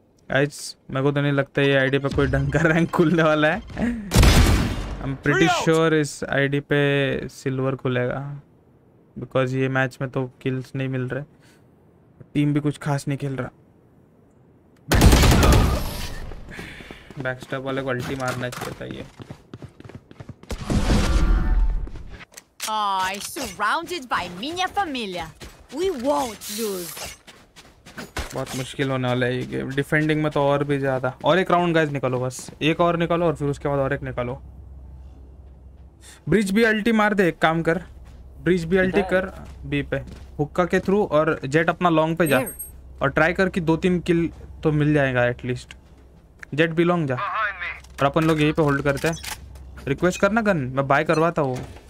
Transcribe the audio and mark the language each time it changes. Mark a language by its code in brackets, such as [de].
[hi] Guys मेरे को तो नहीं लगता ये आईडी पे कोई ढंग का रैंक खुलने वाला है [en] I'm pretty sure [hi] इस आई डी पे सिल्वर खुलेगा बिकॉज ये मैच में तो किल्स नहीं मिल रहे टीम भी कुछ खास नहीं खेल रहा बैकस्टेप वाले को अल्टी मारना चाहिए [en] Oh, surrounded by [pt] minha familia. [en] We won't lose. [hi] बहुत मुश्किल होने वाला है ये गेम डिफेंडिंग में तो और भी ज़्यादा और एक राउंड गाइस निकालो बस एक और निकालो और फिर उसके बाद और एक निकालो ब्रिज भी अल्टी मार दे एक काम कर ब्रिज भी अल्टी कर बी पे हुक्का के थ्रू और जेट अपना लॉन्ग पे जा और ट्राई कर कि दो तीन किल तो मिल जाएगा एटलीस्ट जेट भी लॉन्ग जा और अपन लोग यहीं पे होल्ड करते हैं रिक्वेस्ट करना गन मैं बाय करवाता हूँ